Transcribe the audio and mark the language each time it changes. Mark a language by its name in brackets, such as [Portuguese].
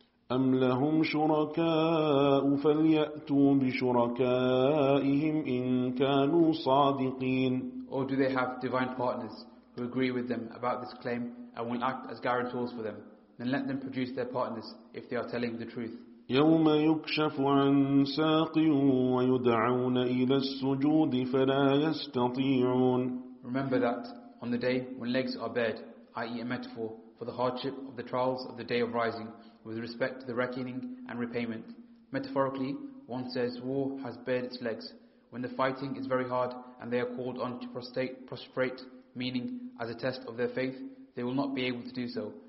[Arabic] أَمْ لَهُمْ شُرَكَاءُ فَلْيَأْتُوا بِشُرَكَائِهِمْ إِن كَانُوا صَادِقِينَ [English] Or do they have divine partners who agree with them about this claim and will act as guarantors for them? Then let them produce their partners if they are telling the truth. [Arabic] يوم يكشف عن ساق ويدعون إلى السجود فلا يستطيعون. [English] Remember that on the day when legs are bared, i.e. a metaphor for the hardship of the trials of the day of rising with respect to the reckoning and repayment. Metaphorically, one says war has bared its legs when the fighting is very hard and they are called on to prostrate, meaning as a test of their faith, they will not be able to do so.